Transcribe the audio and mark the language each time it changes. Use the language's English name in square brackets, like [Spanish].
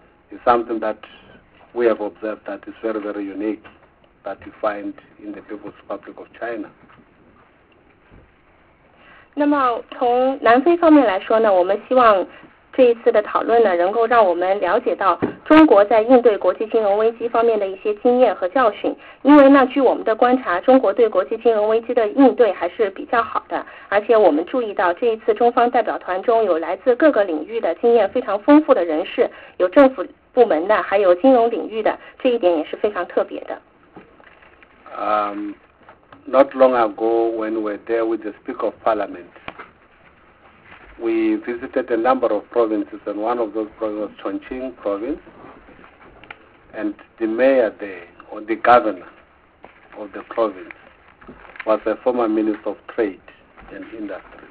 [English] It's something that we have observed that is very, very unique that you find in the People's Republic of China. [Chinese] 那么从南非方面来说呢，我们希望这一次的讨论呢，能够让我们了解到中国在应对国际金融危机方面的一些经验和教训。因为呢，据我们的观察，中国对国际金融危机的应对还是比较好的。而且我们注意到，这一次中方代表团中有来自各个领域的经验非常丰富的人士，有政府部门的，还有金融领域的，这一点也是非常特别的。 [English] Not long ago, when we were there with the Speaker of Parliament, we visited a number of provinces, and one of those provinces was Chongqing province, and the mayor there, or the governor of the province, was a former minister of trade and industry.